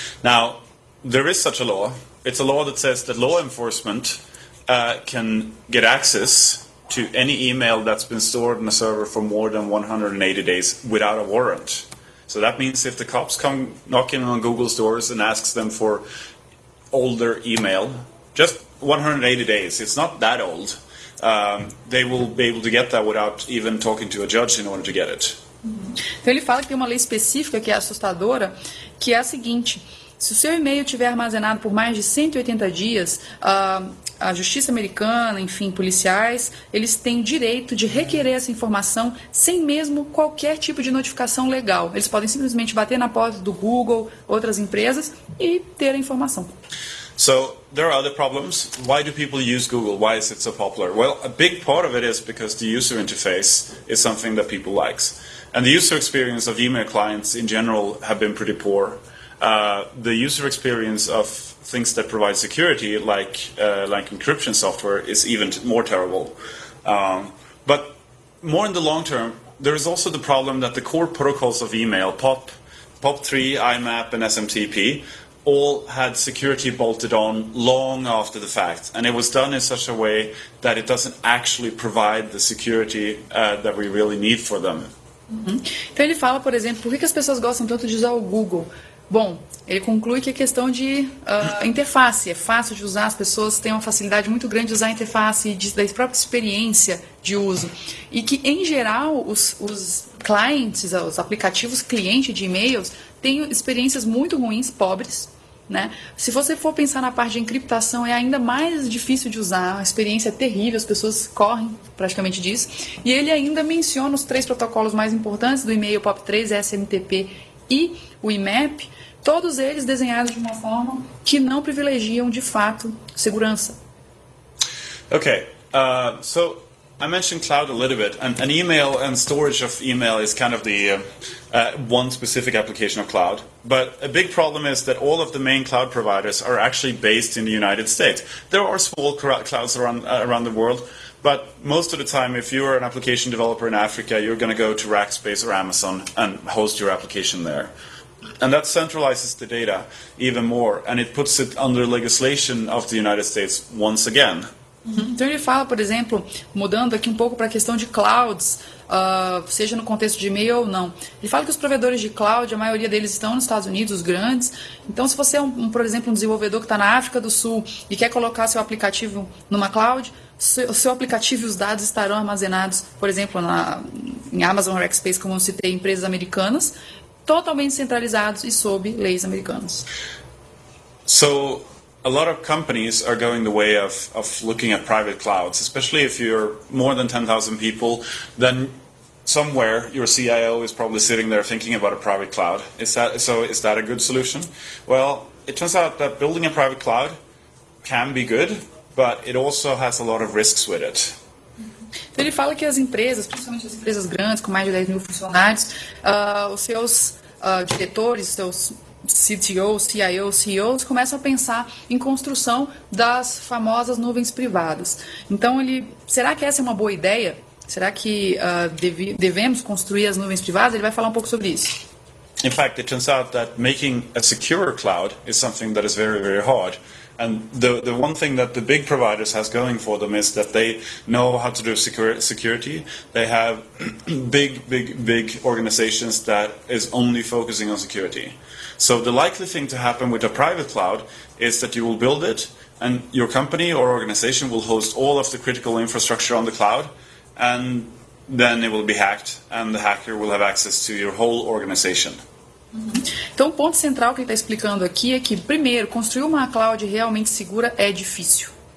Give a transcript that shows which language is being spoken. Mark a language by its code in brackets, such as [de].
[en] Now, there is such a law. It's a law that says that law enforcement can get access to any email that's been stored on a server for more than 180 days without a warrant. So that means if the cops come knocking on Google's doors and asks them for older email, just 180 days, it's not that old, they will be able to get that without even talking to a judge in order to get it. [pt] Então ele fala que tem uma lei específica que é assustadora, que é a seguinte: se o seu e-mail tiver armazenado por mais de 180 dias, a justiça americana, enfim, policiais, eles têm direito de requerer essa informação sem mesmo qualquer tipo de notificação legal. Eles podem simplesmente bater na porta do Google, outras empresas, e ter a informação. [en] So, there are other problems. Why do people use Google? Why is it so popular? Well, a big part of it is because the user interface is something that people like. And the user experience of email clients in general have been pretty poor. The user experience of things that provide security, like encryption software, is even more terrible. But more in the long term, there is also the problem that the core protocols of email, POP3, IMAP, and SMTP, all had security bolted on long after the fact. And it was done in such a way that it doesn't actually provide the security that we really need for them. Uhum. [pt] Então ele fala, por exemplo, por que as pessoas gostam tanto de usar o Google? Bom, ele conclui que é questão de interface, é fácil de usar, as pessoas têm uma facilidade muito grande de usar a interface e da própria experiência de uso. E que, em geral, os clients, os aplicativos cliente de e-mails, têm experiências muito ruins, pobres, né? Se você for pensar na parte de encriptação, é ainda mais difícil de usar, a experiência é terrível, as pessoas correm praticamente disso. E ele ainda menciona os três protocolos mais importantes do e-mail, POP3, SMTP e o IMAP, todos eles desenhados de uma forma que não privilegiam, de fato, segurança. [en] Ok, so I mentioned cloud a little bit, and an email and storage of email is kind of the one specific application of cloud. But a big problem is that all of the main cloud providers are actually based in the United States. There are small clouds around the world, but most of the time, if you are an application developer in Africa, you're going to go to Rackspace or Amazon and host your application there. And that centralizes the data even more, and it puts it under legislation of the United States once again. [pt] Então ele fala, por exemplo, mudando aqui um pouco para a questão de clouds, seja no contexto de e-mail ou não. Ele fala que os provedores de cloud, a maioria deles estão nos Estados Unidos, os grandes. Então se você é, por exemplo, um desenvolvedor que está na África do Sul e quer colocar seu aplicativo numa cloud, seu aplicativo e os dados estarão armazenados, por exemplo, em Amazon Rackspace, como eu citei, empresas americanas, totalmente centralizados e sob leis americanas. [en] So... A lot of companies are going the way of looking at private clouds, especially if you're more than 10,000 people, then somewhere your CIO is probably sitting there thinking about a private cloud. Is that a good solution? Well, it turns out that building a private cloud can be good, but it also has a lot of risks with it. [pt] Então ele fala que as empresas, principalmente as empresas grandes com mais de 10 mil funcionários, os seus diretores, seus CTOs, CIOs, CEOs, começam a pensar em construção das famosas nuvens privadas. Então, será que essa é uma boa ideia? Será que devemos construir as nuvens privadas? Ele vai falar um pouco sobre isso. [en] In fact, it turns out that making a secure cloud is something that is very, very hard. And the one thing that the big providers has going for them is that they know how to do security. They have big organizations that is only focusing on security. So the likely thing to happen with a private cloud is that you will build it and your company or organization will host all of the critical infrastructure on the cloud and then it will be hacked and the hacker will have access to your whole organization. [pt] Então o ponto central que ele está explicando aqui é que, primeiro, construir uma cloud realmente segura é difícil.